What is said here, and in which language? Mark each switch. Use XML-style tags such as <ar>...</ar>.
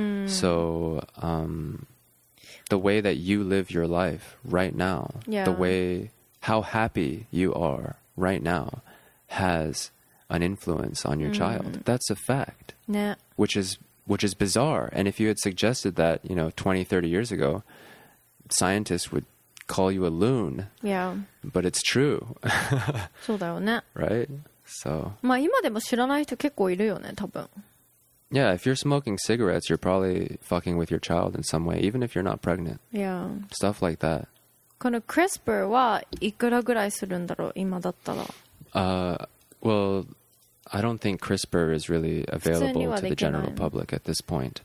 <en>So the way that you live your life right now, the way how happy you are right now has an influence on your child. That's a fact. Yeah. Which is bizarre. And if you had suggested that, 20, 30 years ago, scientists would call you a loon. Yeah. But it's true. Right? So.</en> <ja>まあ今でも知らない人結構いるよね、多分。Yeah,</ja> <en>if you're smoking cigarettes, you're probably fucking with your child in some way, even if you're not pregnant. Yeah. Stuff like that.</en> <ja>この CRISPR はいくらぐらいするんだろう、今だったら?</ja> <en>Well, I don't think CRISPR is really available to the general public at this point.</en>